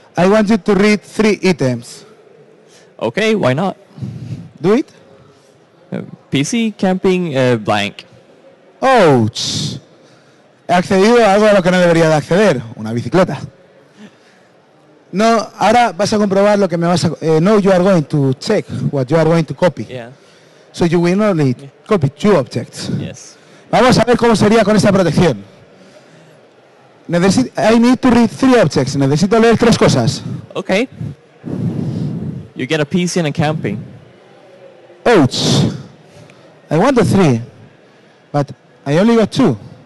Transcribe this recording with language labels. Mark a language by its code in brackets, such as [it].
[en] I want you to read 3 items. Okay, why not? Do it. PC, camping, blank. Ouch. [es] He accedido a algo a lo que no debería de acceder, una bicicleta. No, ahora vas a comprobar lo que me vas a... [en] No, you are going to check what you are going to copy. Yeah. So you will only copy 2 objects. Yes. [es] Vamos a ver cómo sería con esta protección. [en] I need to read 3 objects. [es] Necesito leer 3 cosas. [en] Okay. You get a PC and a camping. Ouch. I wanted 3. But I only got 2.